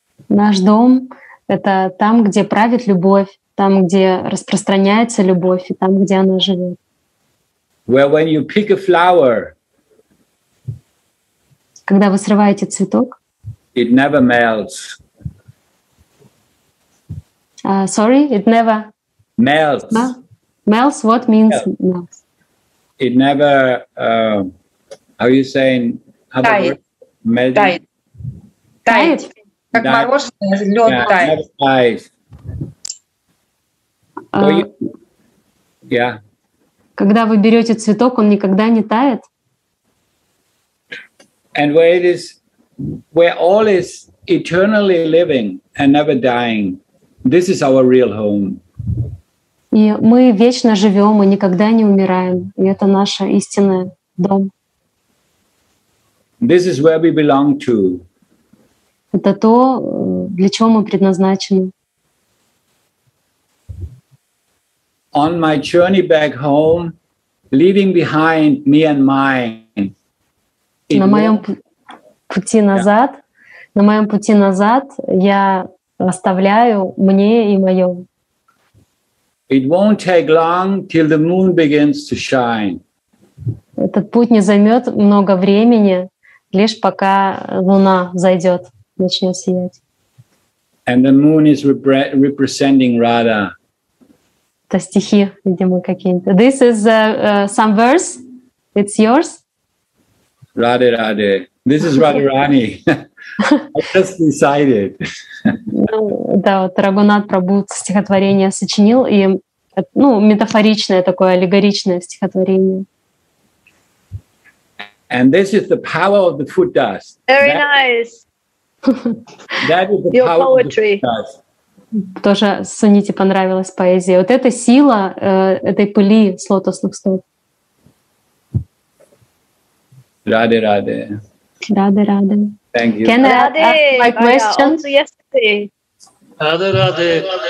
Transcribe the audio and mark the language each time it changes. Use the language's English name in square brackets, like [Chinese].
[Russian] Наш дом — это там, где правит любовь, там, где распространяется любовь, и там, где она живет. [English] Where when you pick a flower, [Russian] когда вы срываете цветок, [English] it never melts. Sorry, it never melts. Melts, what means melts? It never, how are you saying? Dies. Melting. [Russian] Тает. Тает. Как да. Мороженое, лед да, тает. Тает. Когда вы берете цветок, он никогда не тает. [English] And where it is, where all is eternally living and never dying, this is our real home. [Russian] И мы вечно живем и никогда не умираем. И это наша истинная дом. [English] This is where we belong to. [Russian] Это то, для чего мы предназначены. [English] On my journey back home, leaving behind me and mine. [Russian] На моем пути назад, на моем пути назад я оставляю мне и моё. [English] It won't take long till the moon begins to shine. [Russian] Этот путь не займет много времени, лишь пока луна зайдет, начнет сиять. [English] And the moon is representing Radha. [Russian] Это стихи, видимо, какие-то. [English] This is some verse. It's yours. Radhe, Radhe. This is Radharani. I just decided. [Russian] Да, вот Рагунат Прабу стихотворение сочинил, и ну, метафоричное такое, аллегоричное стихотворение. [English] And this is the power of the foot dust. Very nice. That is the power of the foot dust. [Russian] Тоже Суните понравилась поэзия. Вот эта сила этой пыли с лотосных стоп. Раде, раде. Раде, раде. [English] Thank you. Can I ask my question? [Russian] Раде, раде.